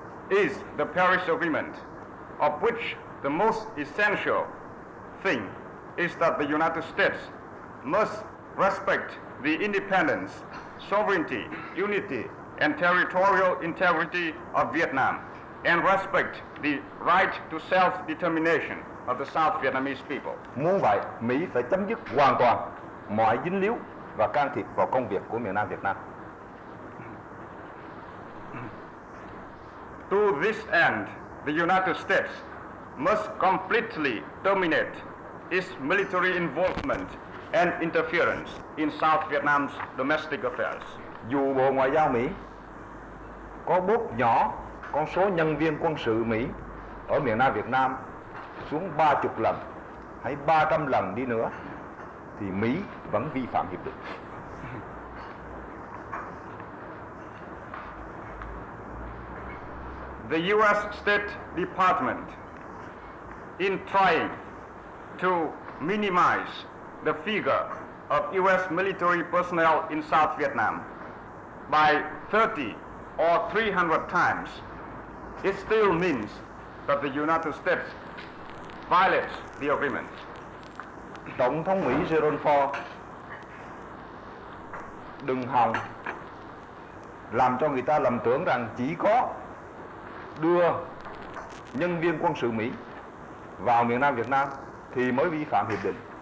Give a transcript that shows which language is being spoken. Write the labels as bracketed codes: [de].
[en] is the Paris Agreement, of which the most essential thing is that the United States must respect the independence, sovereignty, unity, and territorial integrity of Vietnam, and respect the right to self-determination of the South Vietnamese people. [vi] Muốn vậy, Mỹ phải chấm dứt hoàn toàn mọi dính líu và can thiệp vào công việc của miền Nam Việt Nam. [en] To this end, the United States must completely terminate its military involvement and interference in South Vietnam's domestic affairs. [vi] Dù Bộ Ngoại giao Mỹ có bút nhỏ con số nhân viên quân sự Mỹ ở miền Nam Việt Nam xuống 30 lần hay 300 lần đi nữa, thì Mỹ vẫn vi phạm hiệp định. [en] The U.S. State Department, in trying to minimize the figure of U.S. military personnel in South Vietnam by 30 or 300 times, it still means that the United States violates the agreement. [vi] Tổng thống Mỹ Gerald Ford đừng hòng làm cho người ta lầm tưởng rằng chỉ có đưa nhân viên quân sự Mỹ vào miền Nam Việt Nam thì mới vi phạm hiệp định.